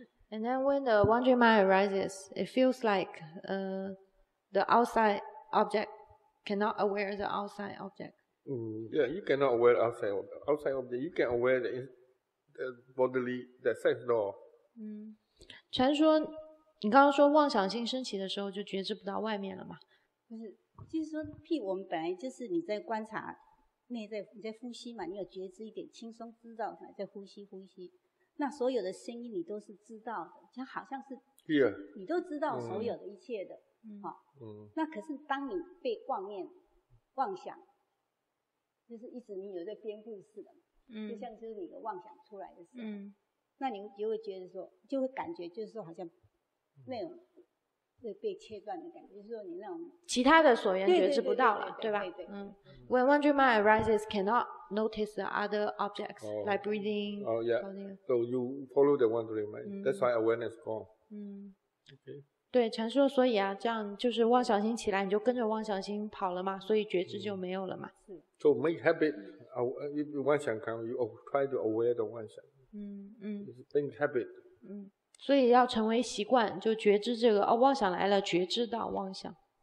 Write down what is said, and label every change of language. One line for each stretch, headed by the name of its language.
English: And then when the wandering mind arises, it feels like the outside object cannot aware the outside object. Yeah, you cannot aware outside object. You can aware the bodily, the sense door.
Chinese: 禅说，你刚刚说妄想心升起的时候，就觉知不到外面了嘛？就是，就是说，譬如我们本来就是你在观察内在，你在呼吸嘛，你有觉知一点，轻松知道在呼吸，那所有的声音你都是知道的，就好像是
English: here,
Chinese: 你都知道所有的一切的，好，那可是当你被妄念、妄想。就是一直你有在编故事的，就像就是你的妄想出来的时候，那你就会觉得说，就会感觉就是说好像那种被切断的感觉，就是说你那种其他的所缘觉知不到了，对吧？对。
English: When wandering mind arises, cannot notice the other objects like breathing. Oh yeah. So you follow the wandering mind. That's why awareness gone. Okay.
Chinese: 对，禅说，所以啊，这样就是妄想心起来，你就跟着妄想心跑了嘛，所以觉知就没有了嘛。
English: So make habit, if you want to come, you try to aware the 妄想。 Make habit。
Chinese: 所以要成为习惯，就觉知这个哦，妄想来了，觉知到妄想。